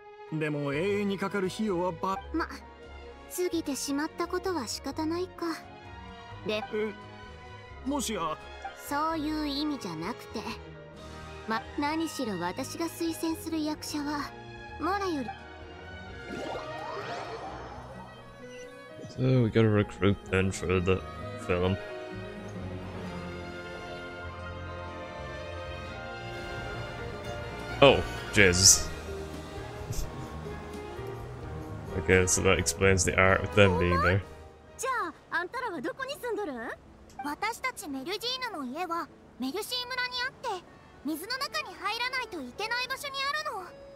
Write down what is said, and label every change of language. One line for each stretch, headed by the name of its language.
Japanese: でも永遠にかかる費用はば… ま、過ぎてしまったことは仕方ないか。で、もしや… そういう意味じゃなくて。ま、何しろ私が推薦する役者は、モラより…
English: So we gotta recruit then for the film. Oh, Jesus. Okay, so that explains the art with them being there.
Japanese: じゃあ、あんたらはどこに住んどる？私たちメルジーヌの家はメルシー村にあって、水の中に入らないといけない場所にあるの。